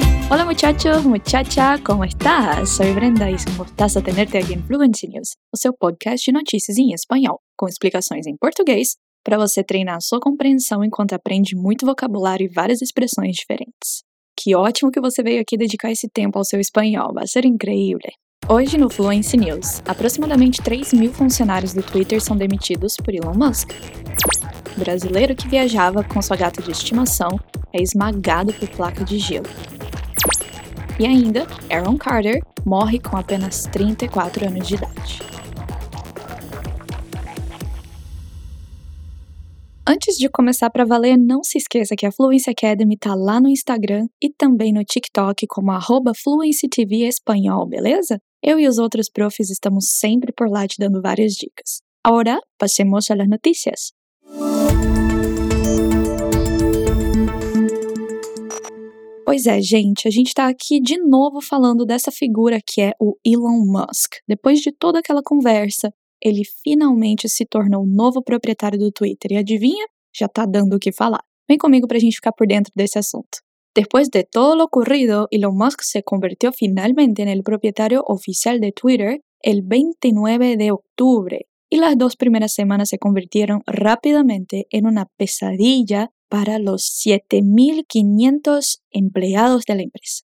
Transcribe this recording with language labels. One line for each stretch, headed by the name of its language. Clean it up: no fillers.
Spanish: Hola muchachos, muchacha, ¿cómo estás?
Portuguese: Soy Brenda y es un gustazo tenerte aquí en Fluency News, o seu podcast de notícias em espanhol, com explicações em português, para você treinar a sua compreensão enquanto aprende muito vocabulário e várias expressões diferentes. Que ótimo que você veio aqui dedicar esse tempo ao seu espanhol, vai ser incrível! Hoje no Fluency News, aproximadamente 3 mil funcionários do Twitter são demitidos por Elon Musk. Brasileiro que viajava com sua gata de estimação é esmagado por placa de gelo. E ainda, Aaron Carter morre com apenas 34 anos de idade. Antes de começar pra valer, não se esqueça que a Fluency Academy tá lá no Instagram e também no TikTok como @FluencyTVEspanhol, beleza? Eu e os outros profs estamos sempre por lá te dando várias dicas.
Spanish: Agora, passemos a las noticias.
Portuguese: Pois é, gente, a gente tá aqui de novo falando dessa figura que é o Elon Musk. Depois de toda aquela conversa, ele finalmente se tornou o novo proprietário do Twitter. E adivinha? Já tá dando o que falar. Vem comigo pra gente ficar por dentro desse assunto.
Spanish: Depois de todo lo ocurrido, Elon Musk se convirtió finalmente en el propietario oficial de Twitter el 29 de octubre. Y las dos primeras semanas se convirtieron rápidamente en una pesadilla para los 7.500 empleados de la empresa.